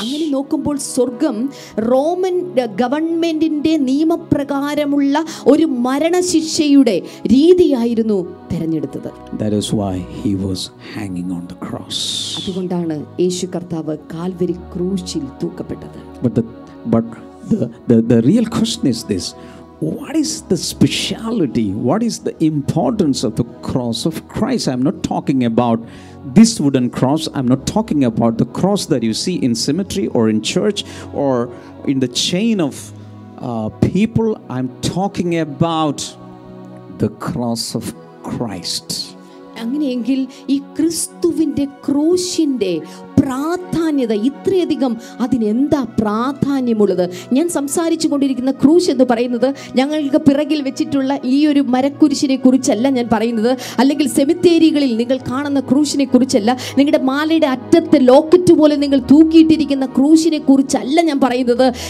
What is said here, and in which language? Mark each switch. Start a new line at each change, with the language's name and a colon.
Malayalam: അങ്ങനെ നോക്കുമ്പോൾ സ്വർഗം റോമൻ ഗവൺമെന്റിന്റെ നിയമപ്രകാരമുള്ള ഒരു മരണശിക്ഷയുടെ രീതിയായിരുന്നു തിരഞ്ഞെടുത്തത്.
English: That is why he was hanging on the cross.
Malayalam: അതുകൊണ്ടാണ് യേശു കർത്താവ് കാൽവരി ക്രൂശിൽ തൂക്കപ്പെട്ടത്.
English: But the real question is this: what is the speciality, what is the importance of the cross of Christ? I'm not talking about this wooden cross. I'm not talking about the cross that you see in cemetery or in church or in the chain of people. I'm talking about the cross of Christ.
Malayalam: അങ്ങനെയെങ്കിൽ ഈ ക്രിസ്തുവിൻ്റെ ക്രൂശിൻ്റെ പ്രാധാന്യത ഇത്രയധികം, അതിനെന്താ പ്രാധാന്യമുള്ളത്? ഞാൻ സംസാരിച്ചു കൊണ്ടിരിക്കുന്ന ക്രൂശ് എന്ന് പറയുന്നത് ഞങ്ങൾക്ക് പിറകിൽ വെച്ചിട്ടുള്ള ഈ ഒരു മരക്കുരിശിനെ കുറിച്ചല്ല ഞാൻ പറയുന്നത്, അല്ലെങ്കിൽ സെമിത്തേരികളിൽ നിങ്ങൾ കാണുന്ന ക്രൂശിനെ കുറിച്ചല്ല, നിങ്ങളുടെ മാലയുടെ അറ്റത്തെ ലോക്കറ്റ് പോലെ നിങ്ങൾ തൂക്കിയിട്ടിരിക്കുന്ന ക്രൂശിനെ കുറിച്ചല്ല ഞാൻ പറയുന്നത്.